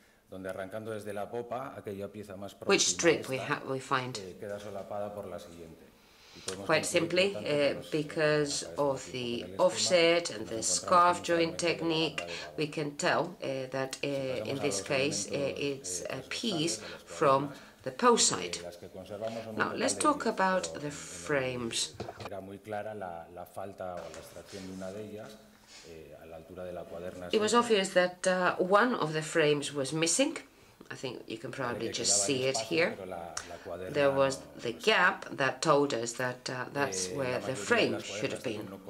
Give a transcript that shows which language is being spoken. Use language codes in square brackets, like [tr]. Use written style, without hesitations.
[es] Donde arrancando desde la popa, aquella pieza más próxima, [en] which strip we find? [es] Queda solapada por la siguiente. [en] Quite simply, because of the offset and the scarf joint technique, we can tell that in this case it's a piece from the post side. Now, let's talk about the frames. [es] Era muy clara la falta o la extracción de una de ellas. [en] It was obvious that one of the frames was missing. I think you can probably just see it here. There was the gap that told us that that's where the frame should have been.